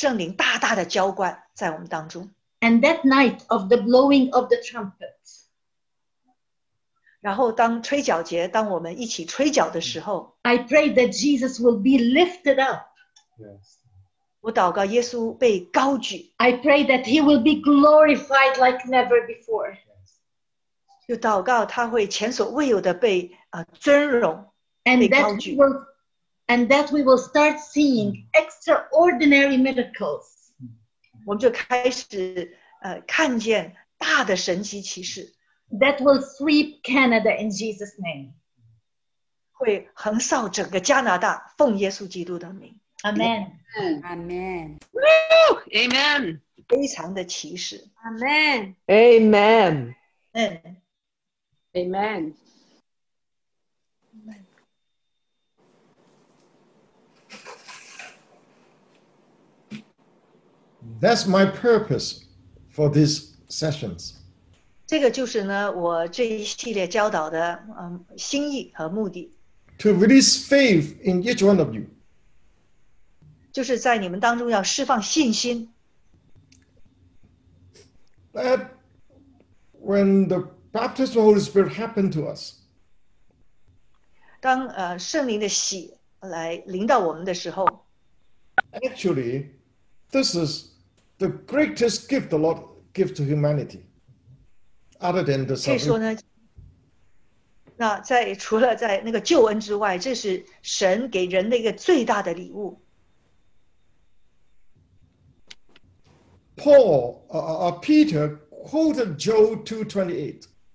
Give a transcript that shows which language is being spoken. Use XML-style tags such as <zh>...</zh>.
<zh>就是我们会看见在我们的国家有圣灵大大的浇灌在我们当中。</zh> <en>And that night of the blowing of the trumpets.</en> <zh>然后当吹角节，当我们一起吹角的时候，</zh> <en>I pray that Jesus will be lifted up. Yes.</en> <zh>我祷告耶稣被高举。</zh> <en>I pray that he will be glorified like never before. Yes.</en> <zh>就祷告他会前所未有的被尊荣，</zh> <en>and that we will start seeing extraordinary miracles.</en> <zh>我们就开始 看见大的神奇奇事，</zh> <en>that will sweep Canada in Jesus' name.</en> <zh>会横扫整个加拿大， 奉耶稣基督的名。</zh> <en>Amen. Amen. Woo! Amen.</en> <zh>非常的奇事。</zh> <en>Amen. Amen. Amen. That's my purpose for these sessions.</en> <zh>这个就是呢, 我这一系列教导的, 心意和目的,</zh> <en>to release faith in each one of you.</en> <zh>就是在你们当中要释放信心,</zh> <en>that when the baptism of the Holy Spirit happened to us,</en> <zh>当, 圣灵的洗来临到我们的时候,</zh> <en>actually, this is the greatest gift the Lord gives to humanity, other than the salvation.</en> <zh>可以说呢，那在除了在那个救恩之外， 这是神给人的一个最大的礼物。</zh> <en>Paul, Peter quoted Joel 2:28.</en>